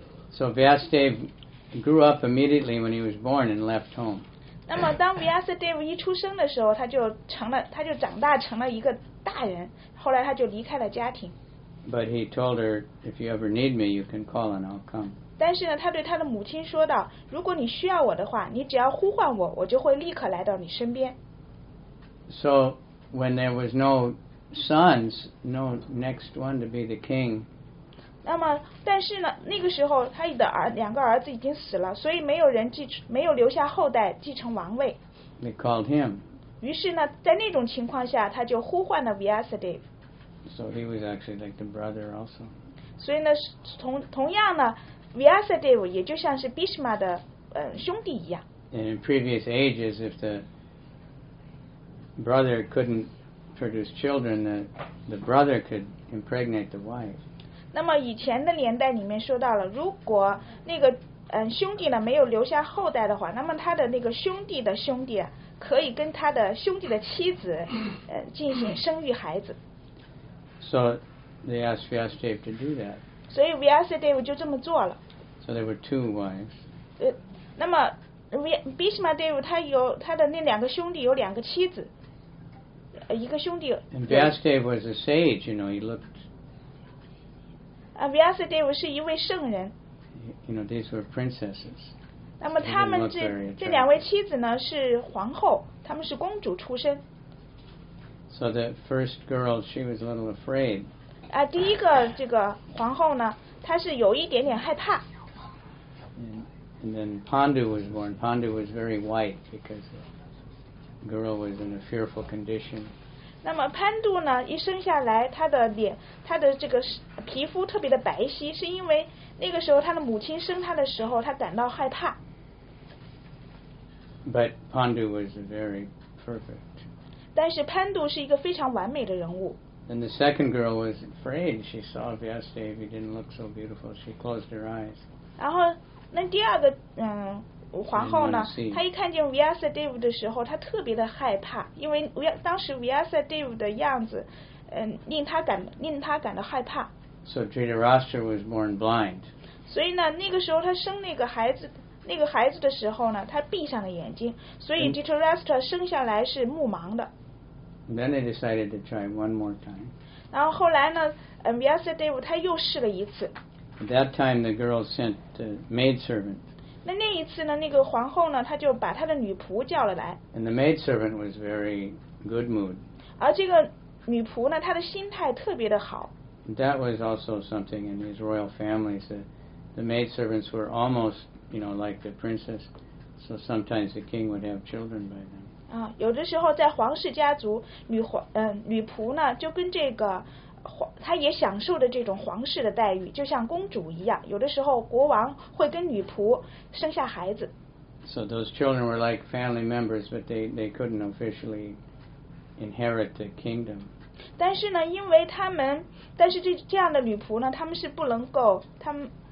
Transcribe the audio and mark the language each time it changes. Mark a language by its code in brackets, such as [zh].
[en] So Vyasadeva grew up immediately when he was born and left home. [zh] 那么当 Vyasadeva 一出生的时候，他就长大成了一个大人。后来他就离开了家庭。 [en] But he told her, if you ever need me, you can call and I'll come. [zh] 但是呢，他对他的母亲说道，如果你需要我的话，你只要呼唤我，我就会立刻来到你身边。 [en] So when there was no sons, no next one to be the king. [zh] 那么，但是呢，那个时候他的两个儿子已经死了，所以没有留下后代继承王位。 [en] They called him. [zh] 于是呢，在那种情况下，他就呼唤了 Vyasadeva. [en] So he was actually like the brother also. [zh] 所以呢，同样呢 ，Vyasadeva 也就像是 Bhishma 的兄弟一样。 [en] And in previous ages, if the brother couldn't produce children, the brother could impregnate the wife. [zh] 那么以前的年代里面说到了，如果那个兄弟呢没有留下后代的话，那么他的那个兄弟的兄弟、啊。可以跟他的兄弟的妻子进行生育孩子。 [en] So they asked Vyasadeva to do that. [zh] 所以 Vyasadeva 就这么做了。 [en] So there were two wives. [zh] 那么 Bhishma Dev 他有他的那两个兄弟有两个妻子，一个兄弟。 [en] And Vyasadeva was a sage, you know, he looked. [zh] Vyasadeva 是一位圣人。 [en] You know, these were princesses. [zh] 那么他们这两位妻子呢是皇后，他们是公主出身。 [en] So the first girl, she was a little afraid. [zh] 第一个这个皇后呢，她是有一点点害怕。 [en] And then Pandu was born. Pandu was very white because the girl was in a fearful condition. [zh] 那么潘度呢，一生下来，她的脸，她的这个皮肤特别的白皙，是因为。那个时候，他的母亲生他的时候，他感到害怕。 [en] But Pandu was very perfect. [zh] 但是潘度是一个非常完美的人物。 [en] And the second girl was afraid. She saw Vyasadeva didn't look so beautiful. She closed her eyes. [zh] 然后，那第二个皇后呢？她一看见 Vyasadeva 的时候，她特别的害怕，因为当时 Vyasadeva 的样子，令她感到害怕。 [en] So Dhritarashtra was born blind. [zh] 所以呢，那个时候他生那个孩子的时候呢，他闭上了眼睛，所以 Dhritarashtra 生下来是目盲的。 [en] Then they decided to try one more time. [zh] 然后后来呢，Vyasadeva 他又试了一次。 [en] At that time, the girl sent the maid servant. [zh] 那那一次呢，那个皇后呢，她就把她的女仆叫了来。 [en] And the maid servant was very good mood. [zh] 而这个女仆呢，她的心态特别的好。 [en] That was also something in these royal families that the maid servants were almost, you know, like the princess. So sometimes the king would have children by them. [zh] 啊，有的时候在皇室家族，女仆呢就跟这个。他也享受着这种皇室的待遇，就像公主一样。有的时候，国王会跟女仆生下孩子。 [en] So those children were like family members, but they couldn't officially inherit the kingdom. [zh] 但是呢，因为他们，但是这样的女仆呢，他们是不能够，他们